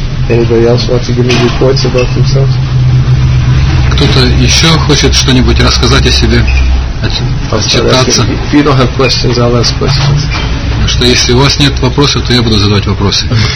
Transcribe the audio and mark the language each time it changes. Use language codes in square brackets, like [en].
[en] Anybody else want to give me reports about themselves? [ru] Кто-то еще хочет что-нибудь рассказать о себе? Отчитаться? [en] If you don't have questions, I'll ask questions. [ru] Что если у вас нет вопросов, то я буду задавать вопросы.